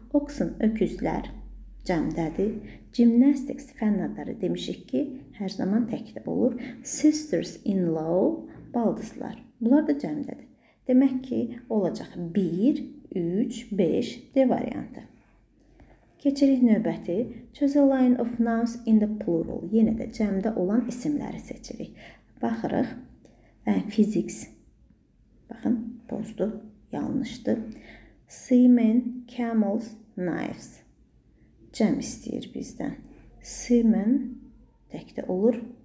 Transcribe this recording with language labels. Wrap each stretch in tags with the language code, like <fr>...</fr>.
<az>Oxen, öküzlər cəmdədir. Gymnastics, fənn adları demişik ki, hər zaman təkdə olur. Sisters in law, baldızlar. Bunlar da cəmdədir. Demək ki, olacaq 1, 3, 5 D variantı. Keçirik növbəti.</az> <en>Choose a line of nouns in the plural.</en> <az>Yenə də cəmdə olan isimləri seçirik. Baxırıq. Physics. Baxın, pozdu. Yanlışdı. Seamen, camels, knives. Cəm istəyir bizdən. Seamen təkdə olur.</az>